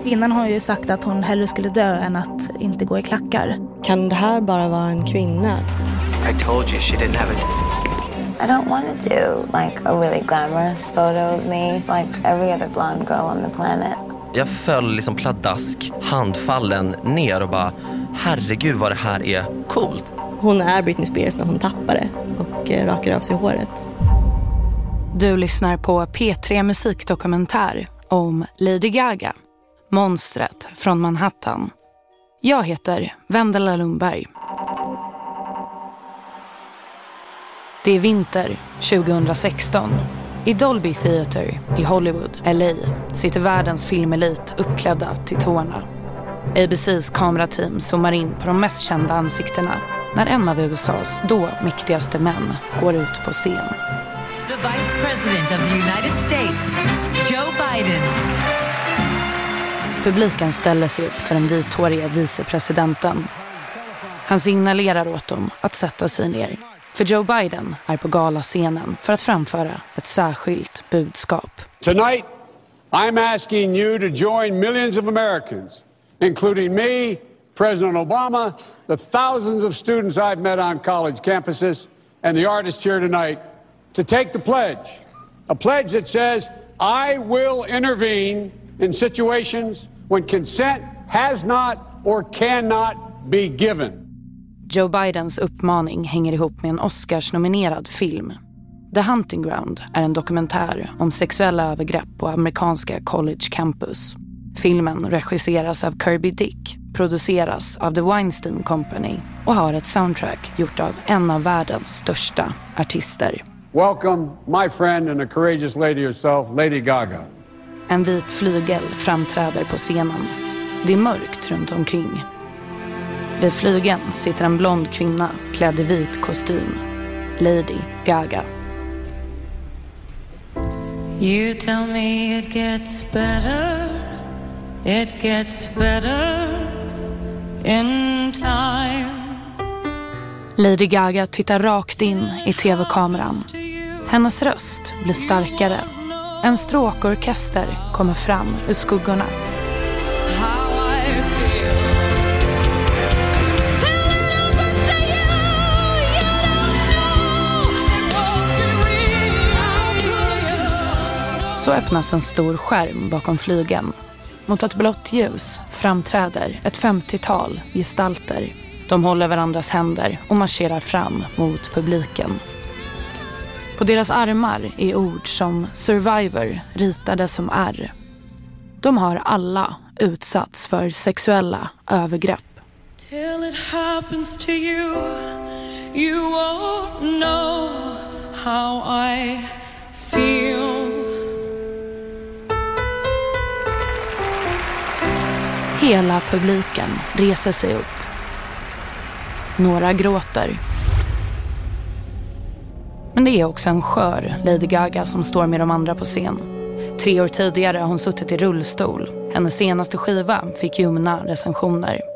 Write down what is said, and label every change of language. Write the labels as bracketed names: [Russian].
[Swedish] Innan har ju sagt att hon hellre skulle dö än att inte gå i klackar. Kan det här bara vara en kvinna? [English] I told you she didn't have it. I don't want to do like a really glamorous photo of me like every other blonde girl on the planet. [Swedish] Jag föll liksom pladask, handfallen ner och bara, herregud vad det här är coolt. Hon är Britney Spears när hon tappar det och rakar av sig håret. Du lyssnar på P3 musikdokumentär om Lady Gaga, monstret från Manhattan. Jag heter Vendela Lundberg. Det är vinter 2016. I Dolby Theater i Hollywood, LA, sitter världens filmelit uppklädda till tårna. ABCs kamerateam zoomar in på de mest kända ansiktena när en av USAs då mäktigaste män går ut på scen. [English] The Vice President of the United States, Joe Biden. [Swedish] Publiken ställer sig upp för den vithåriga vicepresidenten. Han signalerar åt dem att sätta sig ner. För Joe Biden är på galascenen för att framföra ett särskilt budskap. [English] Tonight, I'm asking you to join millions of Americans, including me, President Obama, the thousands of students I've met on college campuses, and the artists here tonight, to take the pledge. A pledge that says, I will intervene in situations when consent has not or cannot be given. [Swedish] Joe Bidens uppmaning hänger ihop med en Oscars-nominerad film. The Hunting Ground är en dokumentär om sexuella övergrepp på amerikanska college campus. Filmen regisseras av Kirby Dick, produceras av The Weinstein Company och har ett soundtrack gjort av en av världens största artister. [English] Welcome, my friend and a courageous lady yourself, Lady Gaga. [Swedish] En vit flygel framträder på scenen. Det är mörkt runt omkring. Vid flygen sitter en blond kvinna klädd i vit kostym. Lady Gaga. [English] You tell me it gets better. It gets better in time. [Swedish] Lady Gaga tittar rakt in i tv-kameran. Hennes röst blir starkare. En stråkorkester kommer fram ur skuggorna. Så öppnas en stor skärm bakom flygen. Mot ett blått ljus framträder ett 50-tal gestalter. De håller varandras händer och marscherar fram mot publiken. På deras armar är ord som survivor ritade som R. De har alla utsatts för sexuella övergrepp. [English] Till it happens to you, you won't know how I feel. [Swedish] Hela publiken reser sig upp. Några gråter. Men det är också en skör Lady Gaga som står med de andra på scen. 3 år tidigare har hon suttit i rullstol. Hennes senaste skiva fick ljumna recensioner.